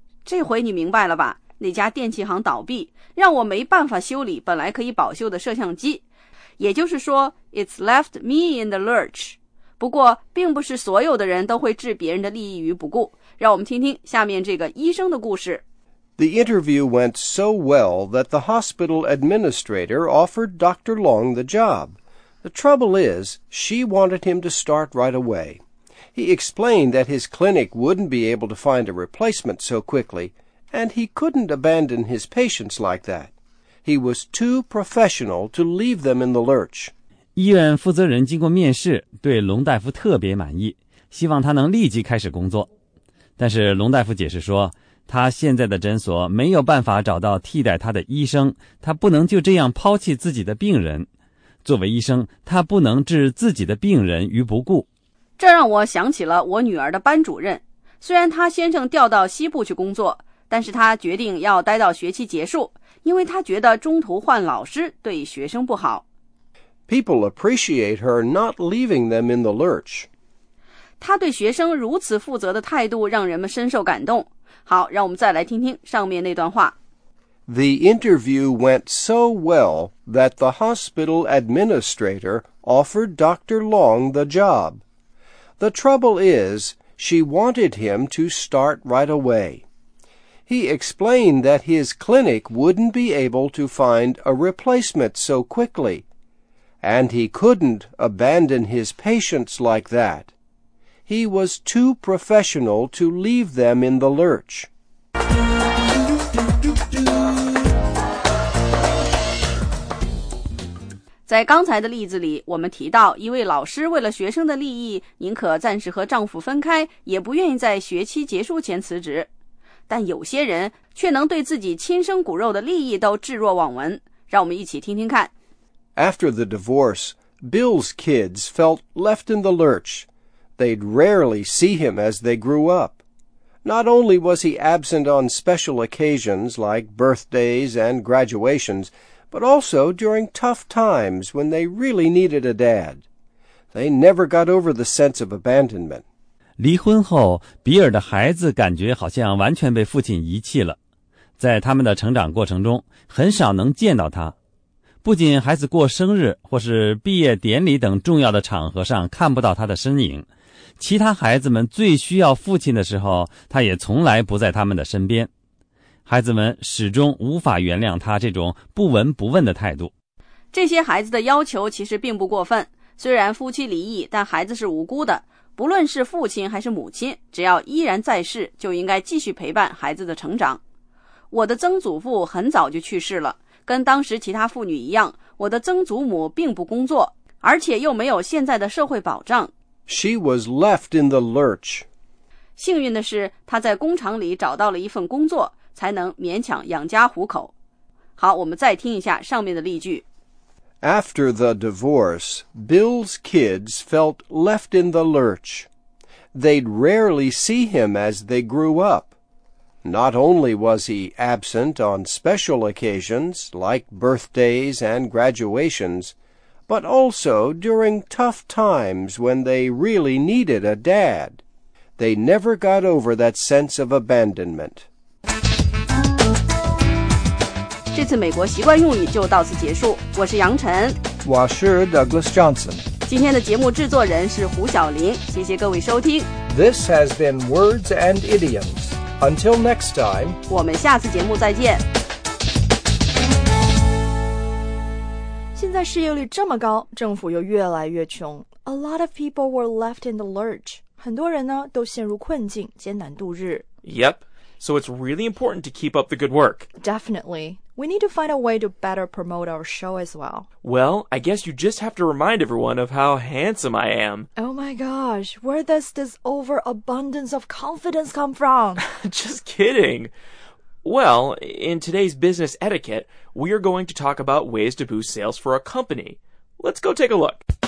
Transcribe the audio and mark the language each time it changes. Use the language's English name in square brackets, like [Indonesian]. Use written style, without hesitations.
[Chinese] 这回你明白了吧？那家电器行倒闭，让我没办法修理本来可以保修的摄像机。也就是说 [English] ,it's left me in the lurch. [Chinese] 不过并不是所有的人都会置别人的利益于不顾。让我们听听下面这个医生的故事。 [English] The interview went so well that the hospital administrator offered Dr. Long the job. The trouble is, she wanted him to start right away. He explained that his clinic wouldn't be able to find a replacement so quickly, and he couldn't abandon his patients like that. He was too professional to leave them in the lurch. [Chinese] 医院负责人经过面试，对龙大夫特别满意，希望他能立即开始工作。但是龙大夫解释说，他现在的诊所没有办法找到替代他的医生，他不能就这样抛弃自己的病人。作为医生，他不能置自己的病人于不顾。这让我想起了我女儿的班主任。虽然她先生调到西部去工作，但是她决定要待到学期结束，因为她觉得中途换老师对学生不好。 [English] People appreciate her not leaving them in the lurch. [Chinese] 她对学生如此负责的态度让人们深受感动。好，让我们再来听听上面那段话。 [English] The interview went so well that the hospital administrator offered Dr. Long the job. The trouble is, she wanted him to start right away. He explained that his clinic wouldn't be able to find a replacement so quickly, and he couldn't abandon his patients like that. He was too professional to leave them in the lurch. [Chinese] 在刚才的例子里，我们提到一位老师为了学生的利益，宁可暂时和丈夫分开，也不愿意在学期结束前辞职。但有些人却能对自己亲生骨肉的利益都置若罔闻。让我们一起听听看。 [English] After the divorce, Bill's kids felt left in the lurch. They'd rarely see him as they grew up. Not only was he absent on special occasions like birthdays and graduations,but also during tough times when they really needed a dad. They never got over the sense of abandonment. [Chinese] 离婚后，比尔的孩子感觉好像完全被父亲遗弃了。在他们的成长过程中，很少能见到他。不仅孩子过生日或是毕业典礼等重要的场合上看不到他的身影，其他孩子们最需要父亲的时候，他也从来不在他们的身边。孩子们始终无法原谅他这种不闻不问的态度。这些孩子的要求其实并不过分，虽然夫妻离异，但孩子是无辜的。不论是父亲还是母亲，只要依然在世，就应该继续陪伴孩子的成长。我的曾祖父很早就去世了，跟当时其他妇女一样，我的曾祖母并不工作，而且又没有现在的社会保障。 [English] She was left in the lurch. [Chinese] 幸运的是，她在工厂里找到了一份工作，才能勉强养家糊口。好，我们再听一下上面的例句。 After the divorce, Bill's kids felt left in the lurch. They'd rarely see him as they grew up. Not only was he absent on special occasions, like birthdays and graduations, but also during tough times when they really needed a dad. They never got over that sense of abandonment. 这次美国习惯用语就到此结束。我是杨晨，我是 Douglas Johnson。今天的节目制作人是胡晓林，谢谢各位收听。 [English] This has been Words and Idioms. Until next time, [Chinese] 我们下次节目再见。现在失业率这么高，政府又越来越穷。 [English] A lot of people were left in the lurch. [Chinese] 很多人呢都陷入困境，艰难度日。 [English] Yep. So it's really important to keep up the good work. Definitely. We need to find a way to better promote our show as well. Well, I guess you just have to remind everyone of how handsome I am. Oh my gosh, where does this overabundance of confidence come from? Just kidding. Well, in today's business etiquette, we are going to talk about ways to boost sales for a company. Let's go take a look.